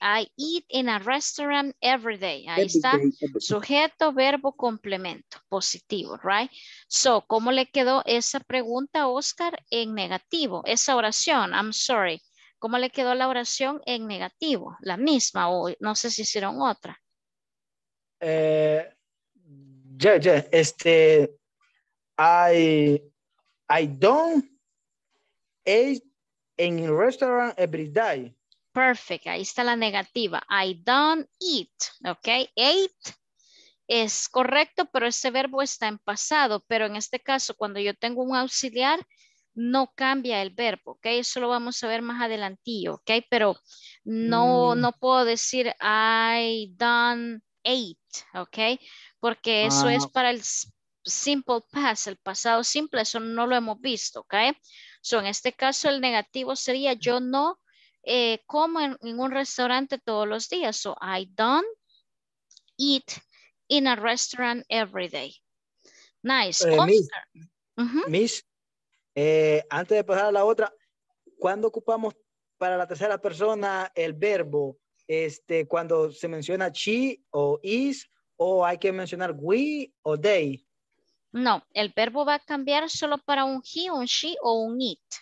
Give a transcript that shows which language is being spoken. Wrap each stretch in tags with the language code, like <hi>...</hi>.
<en>I eat in a restaurant every day. Ahí every está. Day,</en> <es>sujeto, verbo, complemento. Positivo, right? So, ¿cómo le quedó esa pregunta, Oscar, en negativo? Esa oración, I'm sorry. ¿Cómo le quedó la oración en negativo? La misma, o no sé si hicieron otra.</es> <en>I don't eat in a restaurant every day.</en> <es>Perfect, ahí está la negativa.</es> <en>I don't eat,</en> <es>ok. Eat es correcto, pero ese verbo está en pasado. Pero en este caso, cuando yo tengo un auxiliar, no cambia el verbo, ok. Eso lo vamos a ver más adelantillo, ok. Pero no, no puedo decir</es> <en>I don't eat,</en> <es>ok. Porque eso es para el simple past, el pasado simple, eso no lo hemos visto, ¿ok? So, en este caso, el negativo sería yo no como en un restaurante todos los días.</es> <en>So, I don't eat in a restaurant every day. Nice.</en> <es>Miss, antes de pasar a la otra, ¿cuándo ocupamos para la tercera persona el verbo? Cuando se menciona she o is, ¿o hay que mencionar we o they? No, el verbo va a cambiar solo para un he, un she o un it.</es>